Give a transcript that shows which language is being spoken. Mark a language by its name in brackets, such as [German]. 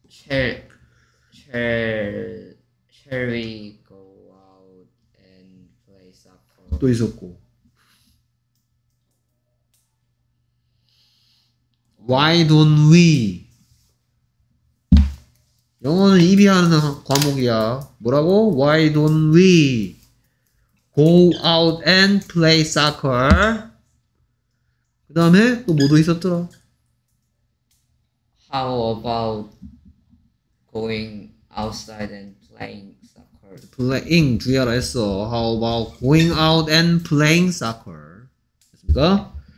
[English] Shall we go out and play soccer? [Korean] 또 있었고. [English] Why don't we? [Korean] 영어는 입이 하는 과목이야. 뭐라고? [English] Why don't we go out and play soccer? [Korean] 그 다음에 또 뭐도 있었더라? [English] How about going outside and playing soccer. [Korean] Playing 주의하라 했어. [English] How about going out and playing soccer? [Korean] 됐습니까?